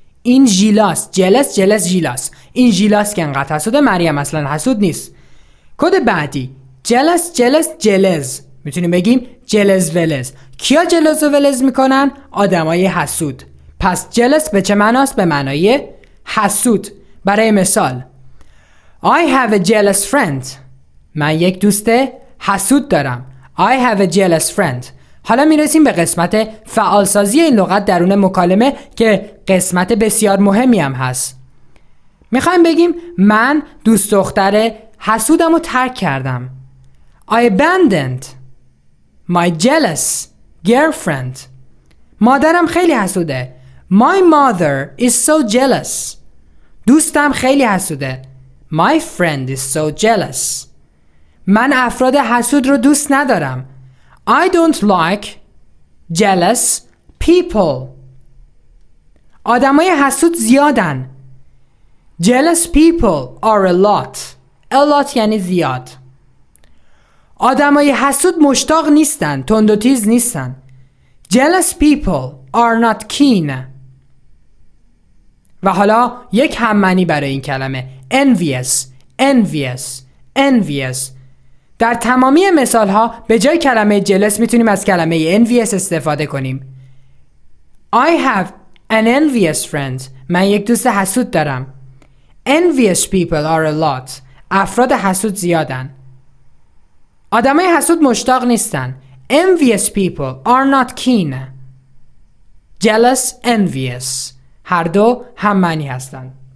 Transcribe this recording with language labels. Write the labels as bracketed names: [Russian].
[Persian] این جیلاس، جلس، جلس، جیلاس. این جیلاس که انقدر حسوده، مریم اصلا حسود نیست. کد بعدی جلس، جلس، جلز. میتونیم بگیم جلز ولز. کیا جلز و ولز میکنن؟ آدمای حسود. پس جلس به چه معناست؟ به معنای حسود. برای مثال [English] I have a jealous friend. [Persian] من یک دوست حسود دارم. [English] I have a jealous friend. [Persian] حالا میرسیم به قسمت فعالسازی این لغت درون مکالمه که قسمت بسیار مهمی هم هست. میخوایم بگیم من دوست دختر حسودم رو ترک کردم. [English] I abandoned my jealous girlfriend. [Persian] مادرم خیلی حسوده. [English] My mother is so jealous. [Persian] دوستم خیلی حسوده. [English] My friend is so jealous. [Persian] من افراد حسود رو دوست ندارم. [English] I don't like jealous people. [Persian] آدمای حسود زیادن. [English] Jealous people are a lot. [Persian] A lot یعنی زیاد. آدمای حسود مشتاق نیستن، تند و تیز نیستن. [English] Jealous people are not keen. [Persian] و حالا یک هم معنی برای این کلمه envious. [English] Envious. Envious. [Persian] در تمامی مثال ها به جای کلمه jealous میتونیم از کلمه envious استفاده کنیم. [English] I have an envious friend. [Persian] من یک دوست حسود دارم. [English] Envious people are a lot. [Persian] افراد حسود زیادن. آدمای حسود مشتاق نیستن. [English] Envious people are not keen. [Persian] Jealous, envious. هر دو هم معنی هستند.